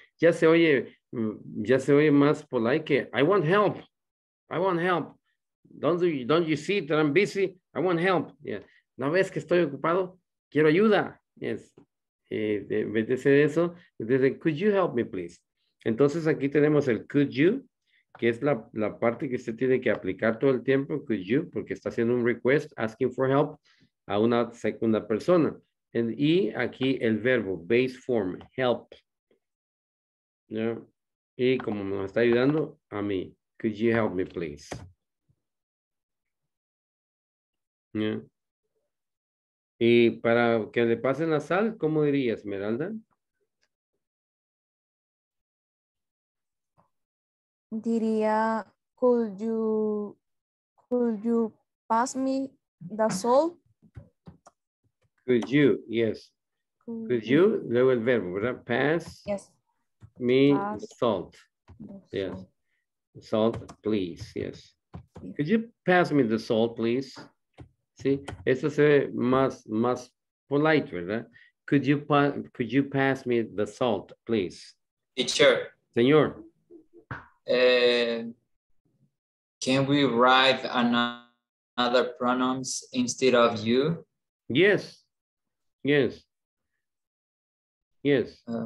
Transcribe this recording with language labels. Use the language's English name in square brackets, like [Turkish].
[Spanish] Ya se oye más polite que [English] I want help. I want help. Don't you see that I'm busy? I want help. Yeah. [Spanish] ¿No ves que estoy ocupado? Quiero ayuda. [English] Yes. [Spanish] De eso, [English] could you help me, please? [Spanish] Entonces aquí tenemos el [English] could you, [Spanish] que es la parte que usted tiene que aplicar todo el tiempo, could you, porque está haciendo un request, [English] asking for help, [Spanish] a una segunda persona. Y aquí el verbo, base form, help. Yeah. Y como nos está ayudando, a mí, [English] could you help me, please? Yeah. [Spanish] Y para que le pasen la sal, ¿cómo diría, Esmeralda? Diría, [English] could you pass me the salt? Could you, yes. Could you, [Spanish] luego el verbo, ¿verdad? [English] Pass yes. Me pass salt. Salt. Yes. Salt, please, yes. Could you pass me the salt, please? [Spanish] Sí, eso se ve más polite, ¿verdad? [English] Could you pass me the salt, please? Teacher. [Spanish] Señor. [English] Can we write another pronouns instead of you? Yes. Yes. Yes.